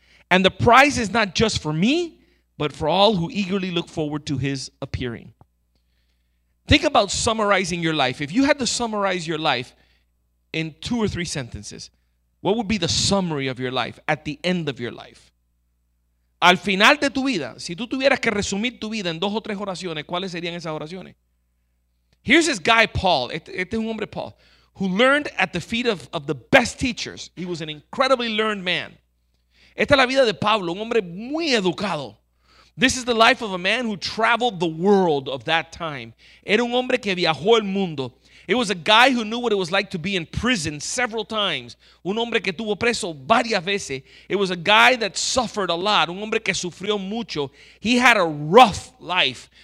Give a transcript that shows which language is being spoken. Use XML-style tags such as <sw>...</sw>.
<en>And the prize is not just for me, but for all who eagerly look forward to his appearing. Think about summarizing your life. If you had to summarize your life in two or three sentences, what would be the summary of your life at the end of your life?</en> <es>Al final de tu vida, si tú tuvieras que resumir tu vida en dos o tres oraciones, ¿cuáles serían esas oraciones?</es> <en>Here's this guy, Paul.</en> <es>Este es un hombre,</es> <en>Paul, who learned at the feet of the best teachers. He was an incredibly learned man.</en> <es>Esta es la vida de Pablo, un hombre muy educado.</es> <en>This is the life of a man who traveled the world of that time.</en> <es>Era un hombre que viajó el mundo.</es> <en>It was a guy who knew what it was like to be in prison several times.</en> <es>Un hombre que tuvo preso varias veces.</es> <en>It was a guy that suffered a lot.</en> <es>Un hombre que sufrió mucho.</es> <en>He had a rough life.</en>